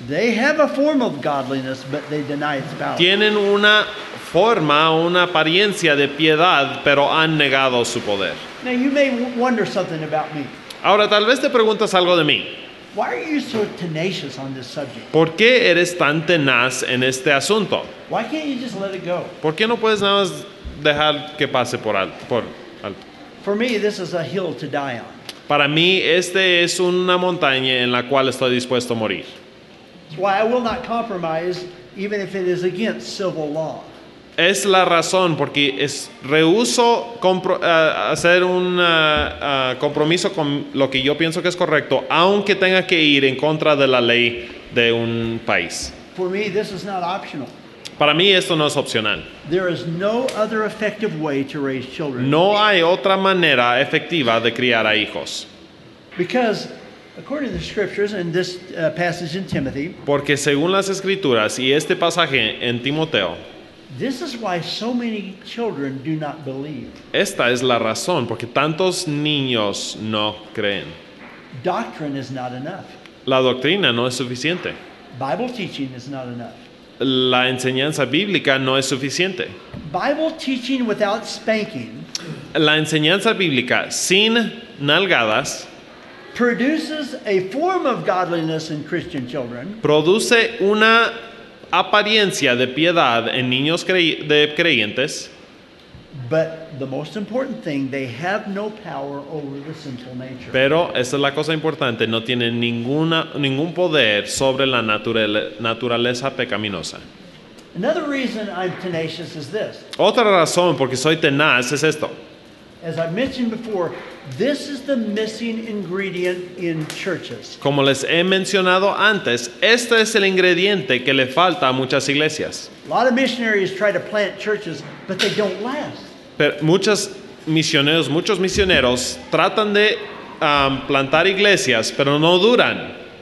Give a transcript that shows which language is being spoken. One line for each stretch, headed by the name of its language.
English: They have a form of godliness, but they deny its power.
Spanish: Tienen una forma, una apariencia de piedad, pero han negado su poder.
English: Now you may wonder something about me.
Spanish: Ahora, tal vez te preguntas algo de mí.
English: Why are you so tenacious on this subject?
Spanish: ¿Por qué eres tan tenaz en este asunto?
English: Why can't you just let it go?
Spanish: ¿Por qué no puedes nada más dejar que pase por alto?
English: For me, this is a hill to die on.
Spanish: Para mí, este es una montaña en la cual estoy dispuesto a morir.
English: Why I will not compromise, even if it is against civil law.
Spanish: Es la razón porque rehúso hacer un compromiso con lo que yo pienso que es correcto, aunque tenga que ir en contra de la ley de un país.
English: For me, this is not optional.
Spanish: Para mí esto no es opcional.
English: There is no other effective way to raise children.
Spanish: No hay otra manera efectiva de criar a hijos.
English: Because according to the scriptures and this passage in Timothy,
Spanish: porque según las escrituras y este pasaje en Timoteo,
English: this is why so many children do not believe.
Spanish: Esta es la razón porque tantos niños no creen.
English: Doctrine is not enough.
Spanish: La doctrina no es suficiente.
English: Bible teaching is not enough.
Spanish: La enseñanza bíblica no es suficiente.
English: Bible teaching without spanking.
Spanish: La enseñanza bíblica sin nalgadas
English: produces a form of godliness in Christian children.
Spanish: Produce una apariencia de piedad en niños creyentes.
English: But the most important thing, they have no power over the sinful nature.
Spanish: Pero esa es la cosa importante, no tienen ningún poder sobre la naturaleza pecaminosa.
English: Another reason I'm tenacious is this.
Spanish: Otra razón porque soy tenaz es esto.
English: As I mentioned before, this is the missing ingredient in churches.
Spanish: Como les he mencionado antes, este es el ingrediente que le falta a muchas iglesias.
English: A lot of missionaries try to plant churches, but they don't last.
Spanish: Pero muchos misioneros tratan de plantar iglesias, pero no duran.